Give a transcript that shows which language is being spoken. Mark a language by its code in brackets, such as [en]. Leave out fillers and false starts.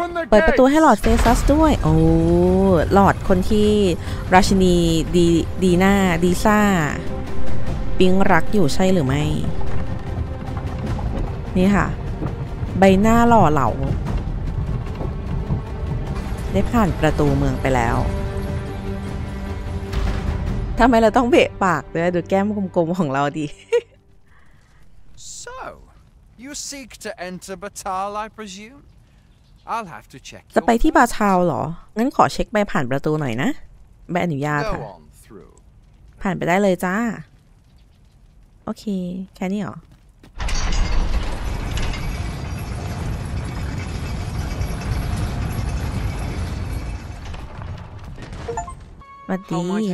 [th] เปิดประตูให้ลอร์ดเฟซัสด้วยโอ้ลอร์ดคนที่ราชินีดีน่าดีซ่าปิ๊งรักอยู่ใช่หรือไม่นี่ค่ะใบหน้าหล่อเหลาได้ผ่านประตูเมืองไปแล้วทำไมเราต้องเบะปากด้วยดูแก้มกลมๆของเราดิ [en] So you seek to enter Batal I presume I'll have to check [th] จะไปที่บาทาวเหรองั้นขอเช็คใบผ่านประตูหน่อยนะใบอนุญาตค่ะผ่านไปได้เลยจ้าโอเคแค่นี้เหรออันนี้